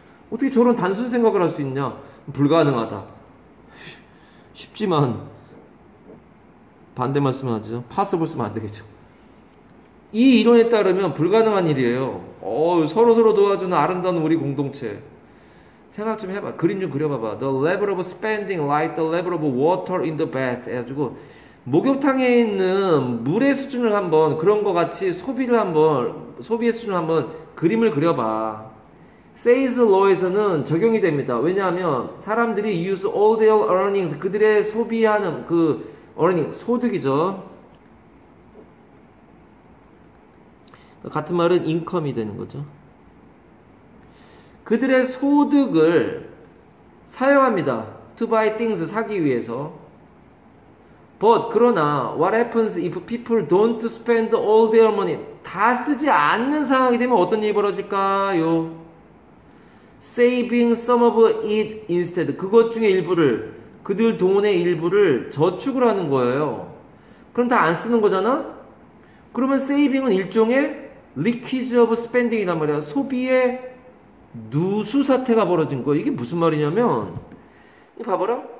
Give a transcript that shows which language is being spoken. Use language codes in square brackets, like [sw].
[ko] 어떻게 저런 단순 생각을 할수 있냐? 불가능하다. 쉽지만 반대 말씀을 하죠. 파서블 쓰면 안 되겠죠. 이 이론에 따르면 불가능한 일이에요. 서로서로 도와주는 아름다운 우리 공동체. 생각 좀 해봐. 그림 좀 그려봐봐. [en] The level of spending like the level of water in the bath. [ko] 해가지고 목욕탕에 있는 물의 수준을 한번 그런 거 같이 소비를 한번 소비의 수준을 한번 그림을 그려봐. Says law에서는 적용이 됩니다. 왜냐하면 사람들이 [en] use all their earnings, [ko] 그들의 소비하는 그 earning 소득이죠. 같은 말은 income이 되는 거죠. 그들의 소득을 사용합니다. [en] To buy things [ko] 사기 위해서. [en] But [ko] 그러나 [en] what happens if people don't spend all their money? [ko] 다 쓰지 않는 상황이 되면 어떤 일이 벌어질까요? [en] Saving some of it instead. [ko] 그것 중에 일부를, 그들 돈의 일부를 저축을 하는 거예요. 그럼 다안 쓰는 거잖아? 그러면 saving은 일종의 [en] leakage of spending [ko] 이란 말이야. 소비의 누수 사태가 벌어진 거야. 이게 무슨 말이냐면, 봐봐라.